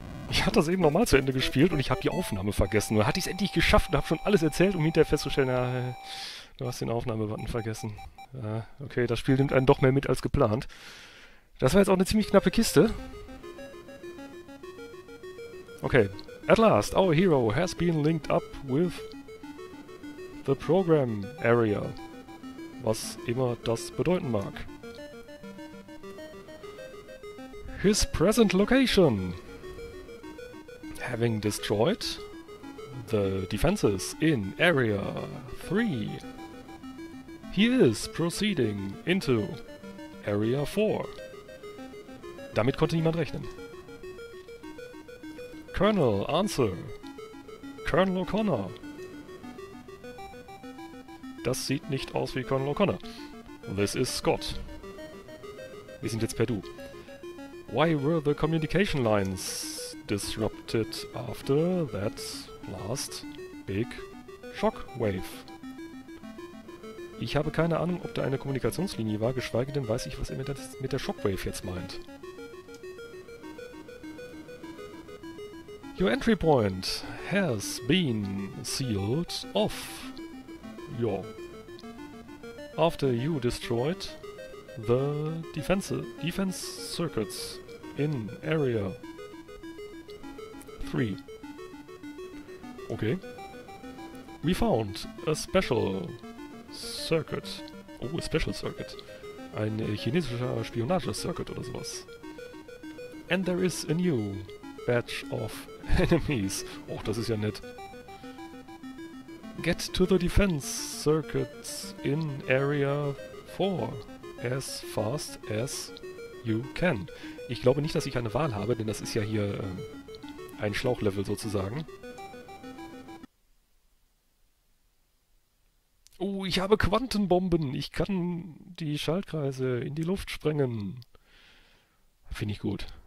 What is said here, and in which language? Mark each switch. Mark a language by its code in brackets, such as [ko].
[de] Ich hatte das eben nochmal zu Ende gespielt und ich habe die Aufnahme vergessen. Nur hatte ich es endlich geschafft und habe schon alles erzählt, um hinterher festzustellen, du hast den Aufnahmebutton vergessen. Okay, das Spiel nimmt einen doch mehr mit als geplant. Das war jetzt auch eine ziemlich knappe Kiste. Okay. [en] At last, our hero has been linked up with the program area. [de] Was immer das bedeuten mag. [en] His present location. Having destroyed the defenses in area 3. He is proceeding into Area 4. [de] Damit konnte niemand rechnen. [en] Colonel, answer. Colonel O'Connor. [de] Das sieht nicht aus wie Colonel O'Connor. [en] This is Scott. [de] Wir sind jetzt per Du. [en] Why were the communication lines disrupted after that last big shockwave? [de] Ich habe keine Ahnung, ob da eine Kommunikationslinie war, geschweige denn weiß ich, was er mit der Shockwave jetzt meint. [en] Your entry point has been sealed off. Jo. After you destroyed the defense circuits in area 3. Okay. We found a special Circuit. Oh, a special circuit. [de] Ein chinesischer Spionage-Circuit oder sowas. [en] And there is a new batch of enemies. [de] Och, das ist ja nett. [en] Get to the defense circuits in area 4 as fast as you can. [de] Ich glaube nicht, dass ich eine Wahl habe, denn das ist ja hier ein Schlauchlevel sozusagen. Ich habe Quantenbomben. Ich kann die Schaltkreise in die Luft sprengen. Finde ich gut.